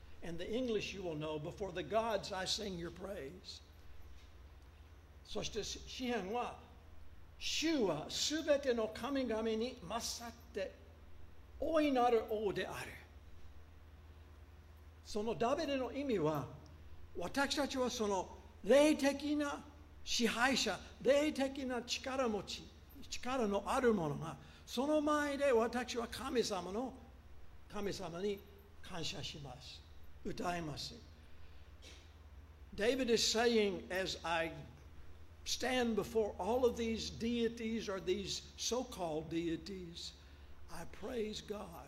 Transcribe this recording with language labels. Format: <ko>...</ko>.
<en>And the English you will know, before the gods I sing your praise.</en> <ja>そして詩編は、主はすべての神々に勝って大いなる王である。そのダビデの意味は、私たちはその霊的な支配者、霊的な力のあるものが、その前で私は神様に感謝します、歌います。</ja> <en>David is saying, as I stand before all of these deities or these so-called deities,I praise God.</en>